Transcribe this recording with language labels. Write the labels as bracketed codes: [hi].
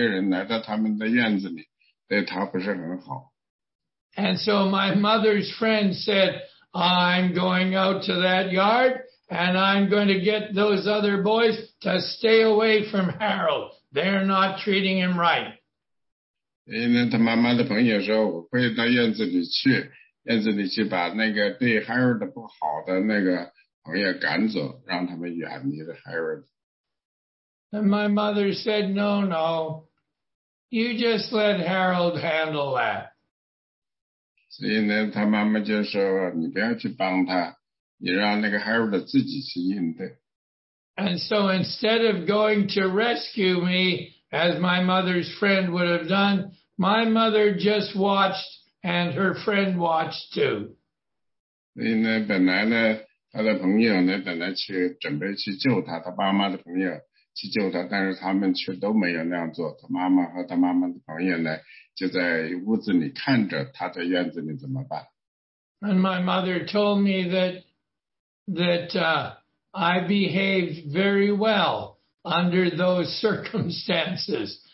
[zh] 所以他妈妈告诉他就说，后来告诉他就有一个人来到他们的院子里，对他不是很好。 [en] And so my mother's friend said, I'm going out to that yard and I'm going to get those other boys to stay away from Harold. They're not treating him right. [zh] 然后他妈妈的朋友说，我会到院子里去，院子里去把那个对Harold不好的那个朋友赶走，让他们远离Harold。 [en] And my mother said, no, no, you just let Harold handle that. [zh] 所以呢，他妈妈就说：“你不要去帮他，你让那个 Harold 自己去应对。” [en] And so instead of going to rescue me, as my mother's friend would have done, my mother just watched and her friend watched too. [zh] 所以呢，本来呢，他的朋友呢，本来去准备去救他的爸妈的朋友，去救他，但是他们却都没有那样做。他妈妈和他妈妈的朋友呢，就在屋子里看着他的院子里怎么办。 [en] And my mother told me that I behaved very well under those circumstances.